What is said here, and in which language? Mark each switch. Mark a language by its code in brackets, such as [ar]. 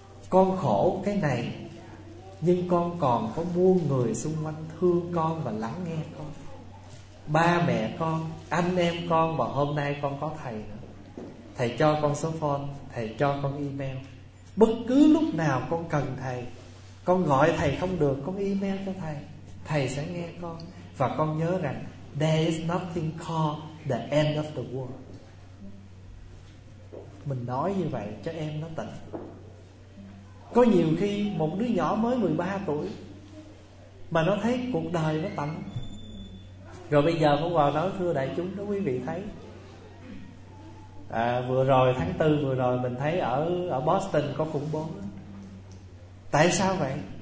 [vi] Con khổ cái này, nhưng con còn có muôn người xung quanh thương con và lắng nghe con. Ba mẹ con, anh em con, và hôm nay con có thầy nữa. Thầy cho con số phone, thầy cho con email. Bất cứ lúc nào con cần thầy, con gọi thầy không được, con email cho thầy, thầy sẽ nghe con. Và con nhớ rằng [en] there is nothing called the end of the world. [vi] Mình nói như vậy cho em nó tỉnh. Có nhiều khi một đứa nhỏ mới 13 tuổi mà nó thấy cuộc đời nó tận. Rồi bây giờ Pháp Hòa nói thưa đại chúng, đó quý vị thấy vừa rồi tháng 4 vừa rồi mình thấy ở Boston có khủng bố. Tại sao vậy?